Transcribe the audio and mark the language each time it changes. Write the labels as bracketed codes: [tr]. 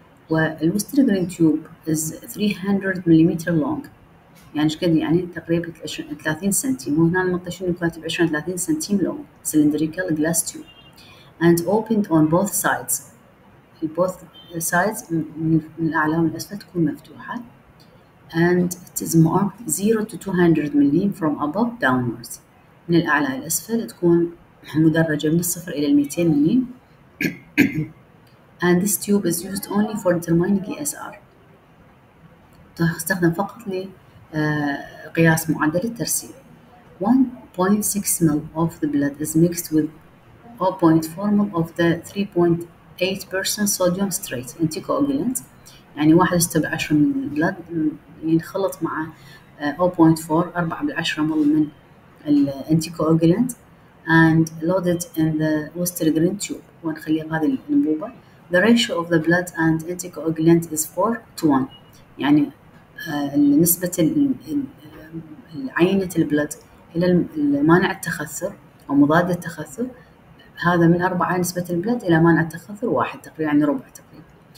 [en] وال Westergren tube is 300 millimeter long. [ar] يعني شكد يعني تقريبا 30 سنتي. مو هنا المطشين يكاتب 20-30 سنتي [en] long cylindrical glass tube. And opened on both sides. In both sides [ar] من الأعلى ومن الأسفل تكون مفتوحة. [en] And it is marked 0 to 200 millim from above downwards. [ar] من الأعلى إلى الأسفل تكون مدرجة من الصفر إلى 200 millim. [en] And this tube is used only for determining ESR. [ar] تستخدم فقط لقياس معدل الترسيب. [en] 1.6 ml of the blood is mixed with 0.4 ml of the 3.8% sodium citrate anticoagulant. [ar] يعني 1/10 من البلد ينخلط مع 0.4 4/10 مل من الانتيكوغولانت [en] and loaded in the Westergren tube [ar] ونخليه بهذه الأنبوبة. [en] The ratio of the blood and anticoagulant is 4:1. [ar] يعني نسبة العينة البلد إلى مانع التخثر أو مضاد التخثر هذا من 4 نسبة البلد إلى مانع التخثر 1 تقريبا يعني ربع تقريبا.